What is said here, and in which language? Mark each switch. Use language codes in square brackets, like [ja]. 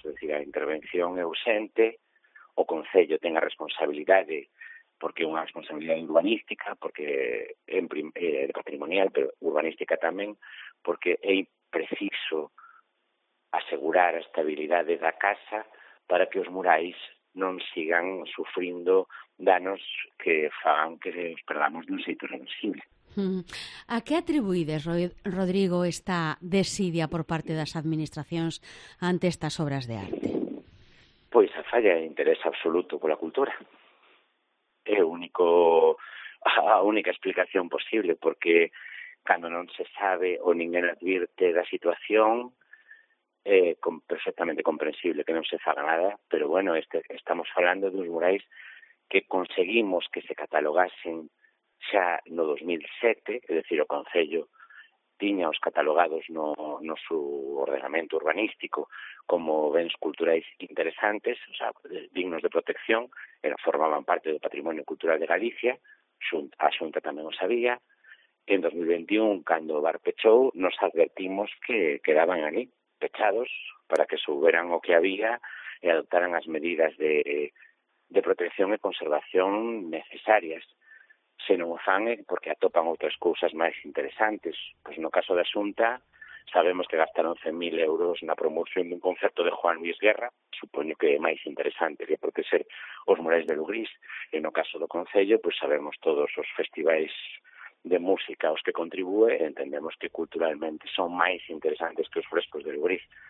[es] Es decir, [gl] a intervención é ausente, o Concello ten a responsabilidade, porque é unha responsabilidade urbanística, porque patrimonial, pero urbanística tamén, porque é preciso asegurar a estabilidade da casa para que os murais non sigan sufrindo danos que fagan que os perdamos dun xeito irreversible. A que atribuides, Rodrigo, esta desidia por parte das administracións ante estas obras de arte? Pois a [es] falla el interés absoluto por la cultura. Es único, [gl] a única [es] explicación posible, porque cuando no se sabe o [gl] ninguén [es] advierte la situación, perfectamente comprensible que no se haga nada, pero bueno, estamos hablando de unos murais que conseguimos que se catalogasen [gl] xa no 2007, [es] es decir, [gl] o Concello tiña os catalogados no su ordenamento urbanístico como bens culturais interesantes, [es] o sea, [gl] dignos de protección, formaban parte do Patrimonio Cultural de Galicia, a Xunta tamén o sabía. En 2021, cando o bar pechou, nos advertimos que quedaban ali, pechados, para que souberan o que había e adoptaran as medidas de protección e conservación necesarias. Se non o fan, porque atopan outras cousas máis interesantes. Pois no caso da Xunta, sabemos que gastaron 11.000 euros na promoción dun concerto de Juan Luis Guerra, supoño que é máis interesante que protexer os murais de Lugris. E no caso do Concello, pois sabemos todos os festivais de música aos que contribúe, entendemos que culturalmente son máis interesantes que os frescos de Lugris.